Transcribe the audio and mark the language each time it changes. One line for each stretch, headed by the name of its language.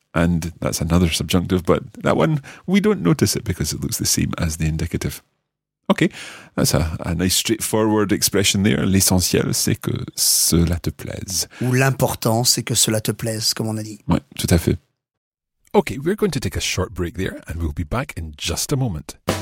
English: And that's another subjunctive, but that one, we don't notice it because it looks the same as the indicative. Okay, that's a nice straightforward expression there.
French: L'essentiel, c'est que cela te plaise. Ou l'important, c'est que cela te plaise, comme on a dit. Oui, tout à fait.
English: Okay, we're going to take a short break there, and we'll be back in just a moment.